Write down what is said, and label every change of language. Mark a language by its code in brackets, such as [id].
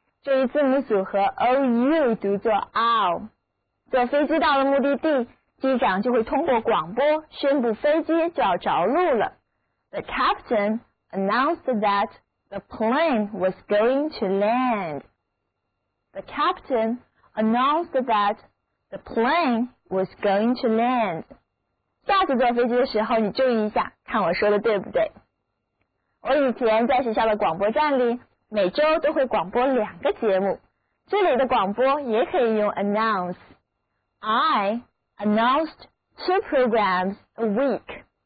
[zh] 这一字母组合 O-U 读作 O， 坐飞机到了目的地，机长就会通过广播宣布飞机就要着陆了。 [en] The captain announced thatThe plane was going to land. The captain announced that the plane was going to land. [zh] 下次坐飞机的时候你注意一下，看我说的对不对。我以前在学校的广播站里，每周都会广播两个节目，这里的广播也可以用 announce。 [en] I announced two programs a week.